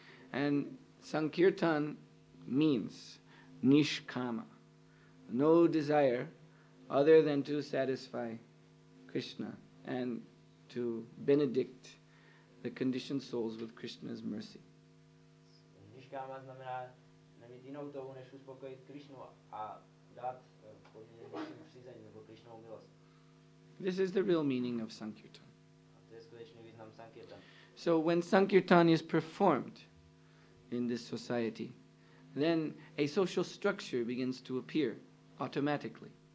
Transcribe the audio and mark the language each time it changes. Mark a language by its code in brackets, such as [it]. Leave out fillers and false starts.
[en] And Sankirtan means Nishkama, no desire other than to satisfy Krishna and to benedict the conditioned souls with Krishna's mercy. [cs] Nishkama znamená nemít jinou touhu než uspokojit Krishnu a dát podmíněné Krishnu přízeň nebo Krishnovu milost. [en] This is the real meaning of Sankirtan. [cs] A to je skutečný význam Sankirtan. [en] So when Sankirtan is performed in this society, then a social structure begins to appear automatically.